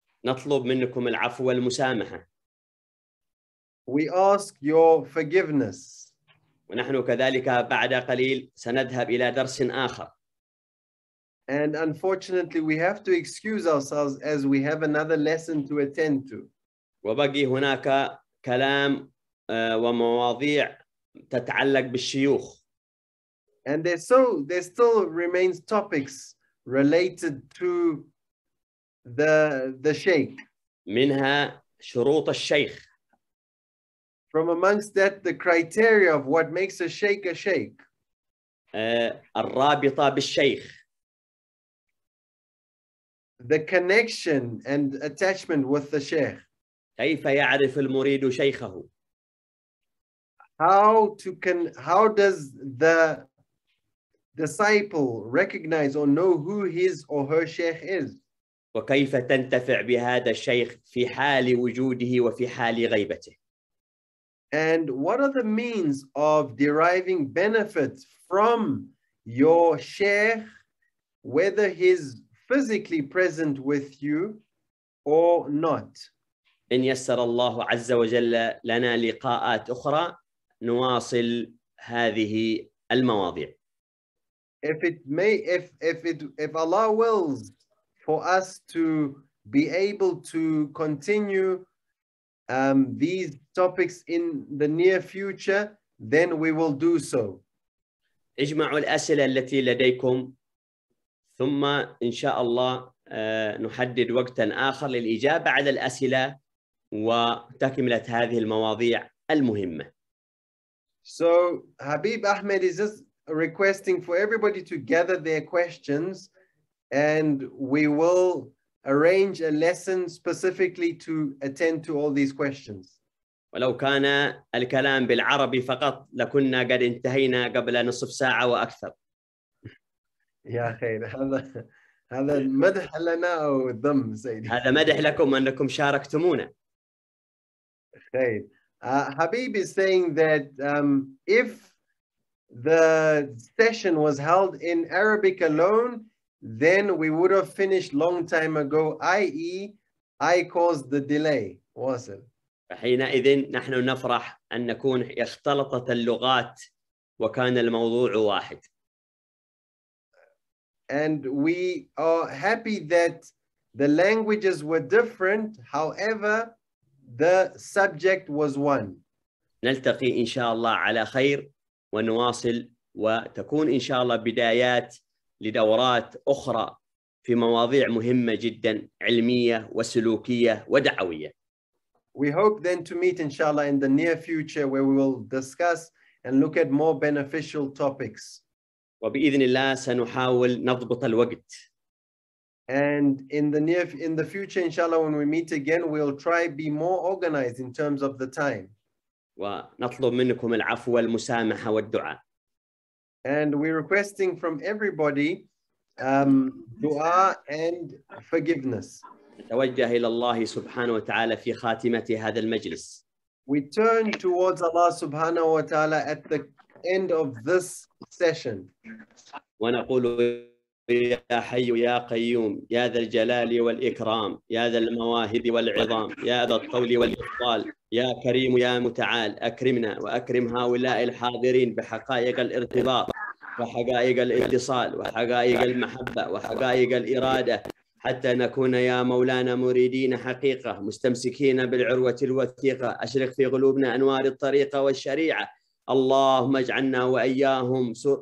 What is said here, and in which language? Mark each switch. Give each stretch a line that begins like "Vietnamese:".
Arabic: نطلب منكم العفو والمسامحة.
English: We ask your forgiveness.
Arabic: ونحن كذلك بعد قليل سنذهب إلى درس آخر.
English: And unfortunately, we have to excuse ourselves as we have another lesson to attend to.
Arabic: وبقي هناك كلام ومواضيع تتعلق بالشيوخ.
English: And there still remains topics related to the sheikh.
Arabic: منها شروط الشيخ.
English: From amongst that, the criteria of what makes a sheikh a sheikh.
Arabic: الرابطة بالشيخ.
English: The connection and attachment with the sheikh.
Arabic: كيف يعرف المريد شيخه؟
English: How does the disciple recognize or know who his or her sheikh is?
Arabic: وكيف تنتفع بهذا الشيخ في حال وجوده وفي حال غيبته؟
English: And what are the means of deriving benefits from your sheikh, whether he's physically present with you or not?
Arabic: إن يسر الله عز وجل لنا لقاءات أخرى نواصل هذه المواضيع.
English: If Allah wills for us to be able to continue these topics in the near future, then we will do so.
Arabic: اجمعوا الأسئلة التي لديكم ثم إن شاء الله نحدد وقتا آخر للإجابة على الأسئلة وتكملة هذه المواضيع المهمة.
English: So Habib Ahmed is just requesting for everybody to gather their questions and we will arrange a lesson specifically to attend to all these questions.
Arabic: ولو كان الكلام بالعربي فقط لكنا قد انتهينا قبل نصف ساعة وأكثر. يا خير هذا مدح لنا أو ذم سيدي. هذا مدح لكم أنكم شاركتمونا. خير.
English: Habib is saying that if the session was held in Arabic alone, then we would have finished long time ago, i.e. I caused the delay.
Arabic: واصل. حينئذ نحن نفرح أن نكون اختلطت اللغات وكان الموضوع واحد.
English: And we are happy that the languages were different, however, the subject was one.
Arabic: نلتقي إن شاء الله على خير ونواصل وتكون إن شاء الله بدايات لدورات أخرى في مواضيع مهمة جدا علمية وسلوكية ودعوية.
English: We hope then to meet inshallah in the near future where we will discuss and look at more beneficial topics.
Arabic: وبإذن الله سنحاول نضبط الوقت.
English: And in the future inshallah when we meet again we'll try be more organized in terms of the time.
Arabic: ونطلب منكم العفو والمسامحة والدعاء.
English: And we're requesting from everybody du'a and forgiveness.
Arabic: نتوجه إلى الله سبحانه وتعالى في خاتمة هذا المجلس.
English: We turn towards Allah subhanahu wa ta'ala at the end of this session.
Arabic: ونقول يا حي يا قيوم يا ذا الجلال والإكرام يا ذا المواهب والعظام يا ذا الطول والإفضال يا كريم يا متعال أكرمنا وأكرم هؤلاء الحاضرين بحقائق الارتباط وحقائق الاتصال وحقائق المحبة وحقائق الإرادة حتى نكون يا مولانا مريدين حقيقة مستمسكين بالعروة الوثيقة أشرق في قلوبنا أنوار الطريقة والشريعة اللهم اجعلنا وإياهم